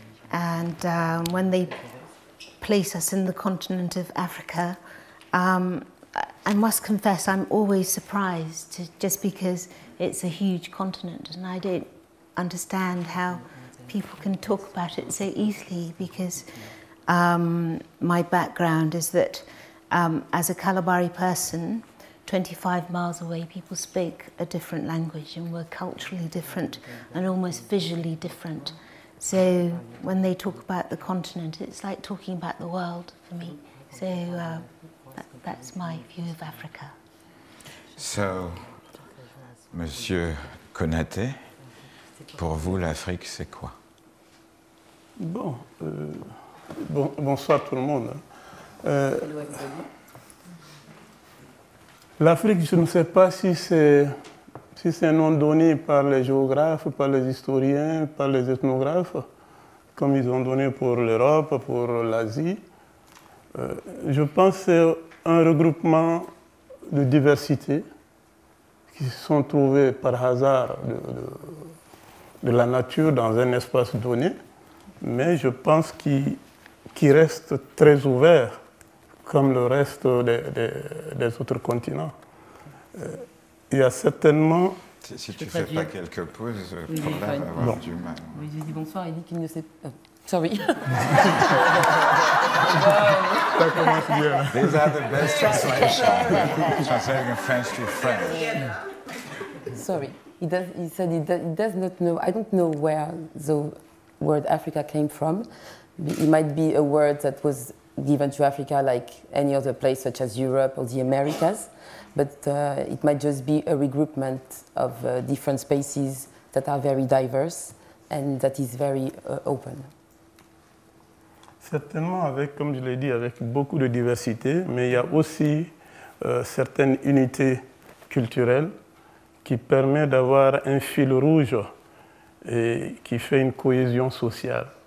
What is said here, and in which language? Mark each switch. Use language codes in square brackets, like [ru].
[en] When they place us in the continent of Africa, I must confess I'm always surprised, just because it's a huge continent and I don't understand how people can talk about it so easily, because my background is that as a Calabari person, 25 miles away, people spoke a different language and were culturally different and almost visually different. So when they talk about the continent, it's like talking about the world for me. So that's my view of Africa. [fr] So, Monsieur Konaté, pour vous, l'Afrique, c'est quoi? Bon, bonsoir tout le monde. L'Afrique, je ne sais pas si c'est un nom donné par les géographes, par les historiens, par les ethnographes, comme ils ont donné pour l'Europe, pour l'Asie. Je pense que c'est un regroupement de diversités qui se sont trouvées par hasard de la nature dans un espace donné, mais je pense qu'il reste très ouvert, comme le reste des autres continents. Il y a certainement... Si tu ne fais pas quelques pauses, oui, pour là, avoir bon. Du mal. Oui, j'ai dit bonsoir, il dit qu'il ne sait pas... [en] Sorry. [fr] Ça commence bien. [en] These are the best translations. Translating French to French. Sorry. He said he does not know. I don't know where the word Africa came from. It might be a word that was given to Africa like any other place, such as Europe or the Americas. But it might just be a regroupment of different spaces that are very diverse and that is very open. [fr] Certainement, avec, comme je l'ai dit, avec beaucoup de diversité, mais il y a aussi certaines unités culturelles qui permettent d'avoir un fil rouge et qui fait une cohésion sociale.